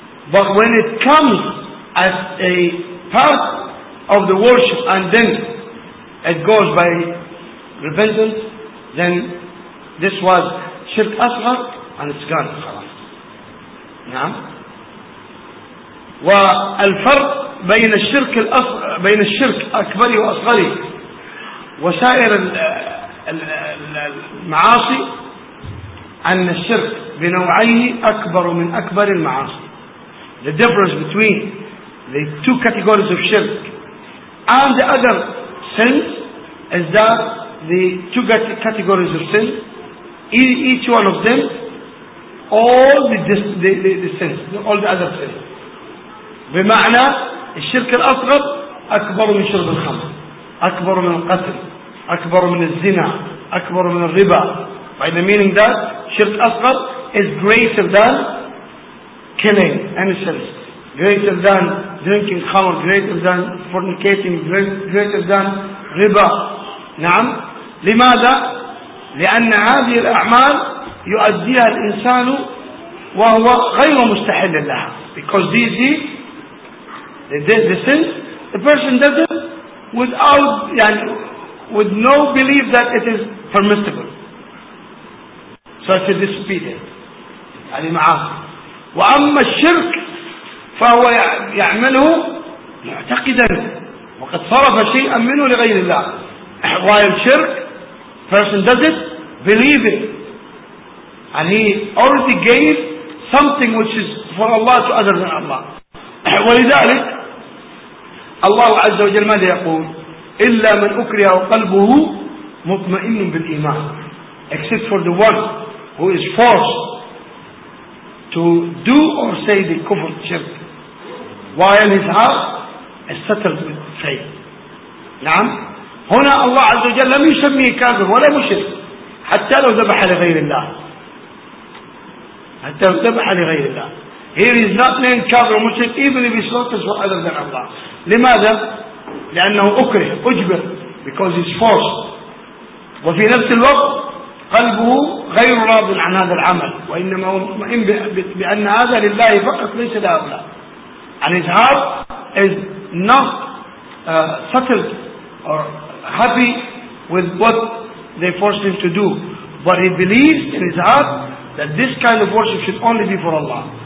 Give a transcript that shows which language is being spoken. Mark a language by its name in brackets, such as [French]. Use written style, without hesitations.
[English] But when it comes as a part of the worship and then it goes by repentance, then this was shirk asghar and it's gone. [Arabic] خلاص. نعم. والفرق بين الشرك الأصغر بين الشرك أكبر وأصغر وسائر المعاصي أن الشرك بنوعيه أكبر من أكبر المعاصي. [English] The difference between the two categories of shirk and the other sins is that the two categories of sin, each one of them, all the sins, all the other sins. [Arabic] بمعنى الشرك الأصغر أكبر من شرب الخمر، أكبر من القتل، أكبر من الزنا، أكبر من الربا. [English] By the meaning that shirk asghar is greater than killing any sins, greater than drinking khamr, greater than fornicating, greater than riba. [Arabic] نعم. لماذا؟ لأن هذه الأعمال يؤديها الإنسان وهو غير مستحل لها. [English] Because these the sins, the person does it without, with no belief that it is permissible. Such a disobedience. [Arabic] يعني معاه. وأما الشرك فهو يعمله معتقدا وقد صرف شيئا منه لغير الله. [English] Why shirk? Person does it believing, and he already gave something which is for Allah to other than Allah. [Arabic] ولذلك الله عز وجل ماذا يقول؟ إلا من أكره وقلبه مطمئن بالإيمان. [English] Except for the one who is forced to do or say the kufr shirk while his heart is settled with faith. [Arabic] نعم. هنا الله عز وجل لم يسميه كافر ولا مشرك حتى لو ذبح لغير الله. حتى لو ذبح لغير الله. [English] Here is not named كافر ومشرك even if he slaughters for other than Allah. [Arabic] لماذا؟ لأنه أكره أجبر [English] because he's forced. [Arabic] وفي نفس الوقت قلبه غير راض عن هذا العمل وإنما هو مطمئن بأن هذا لله فقط ليس لأبلا. [English] And his heart is not settled or happy with what they forced him to do, but he believes in his heart that this kind of worship should only be for Allah.